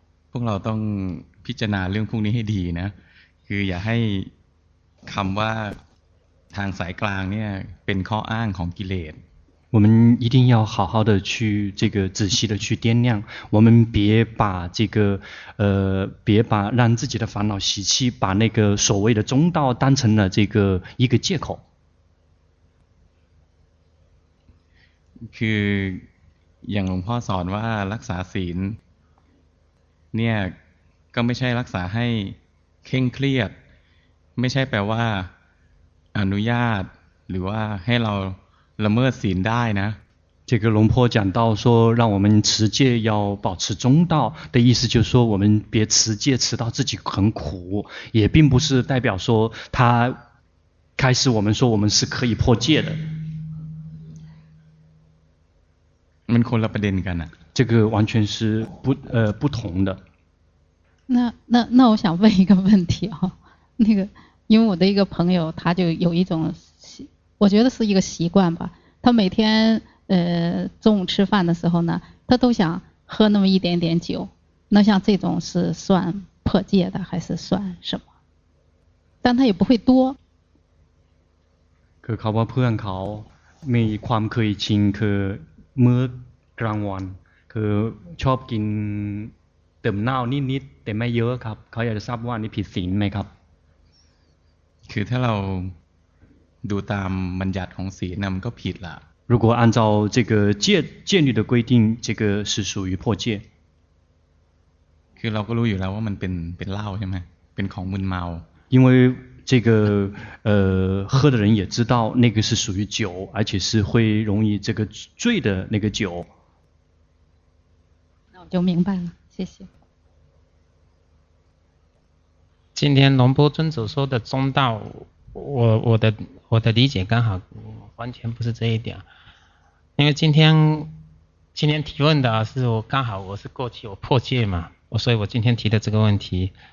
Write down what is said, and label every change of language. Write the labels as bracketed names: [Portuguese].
[Thai] พวกเราต้องพิจารณาเรื่องพวกนี้ให้ดีนะคืออย่าให้คำว่าทางสายกลางเนี่ยเป็นข้ออ้างของกิเลส [Chinese] 我们一定要好好的去这个仔细的去掂量，我们别把这个别把让自己的烦恼习气把那个所谓的中道当成了这个一个借口。 [Thai] คืออย่างหลวงพ่อสอนว่ารักษาศีลเนี่ยก็ไม่ใช่รักษาให้เคร่งเครียดไม่ใช่แปลว่าอนุญาตหรือว่าให้เราละเมิดศีลได้นะ [Chinese] 这个龙婆讲到说让我们持戒要保持中道的意思就是说我们别持戒持到自己很苦也并不是代表说他开始我们说我们是可以破戒的 [Thai] มันคนละประเด็นกันนะ [Chinese] 这个完全是不同的那我想问一个问题啊那个因为我的一个朋友他就有一种我觉得是一个习惯吧他每天中午吃饭的时候呢他都想喝那么一点点酒那像这种是算破戒的还是算什么但他也不会多 [Thai] คือเขาว่าเพื่อนเขามีความเคยชินคือเมื่อกลางวันคือชอบกินเติมเหล้านิดๆแต่ไม่เยอะครับเขาอยากจะทราบว่านี่ผิดศีลไหมครับ คือถ้าเราดูตามบัญญัติของศีลนั้นก็ผิดละ [Chinese] 如果按照这个戒律的规定这个是属于破戒 [Thai] คือเราก็รู้อยู่แล้วว่ามันเป็นเหล้าใช่ไหมเป็นของมึนเมา [Chinese] 因为这个喝的人也知道那个是属于酒而且是会容易这个醉的那个酒那我就明白了谢谢今天龙波尊者说的中道我的理解刚好完全不是这一点因为今天提问的是我刚好我是过去我破戒嘛所以我今天提的这个问题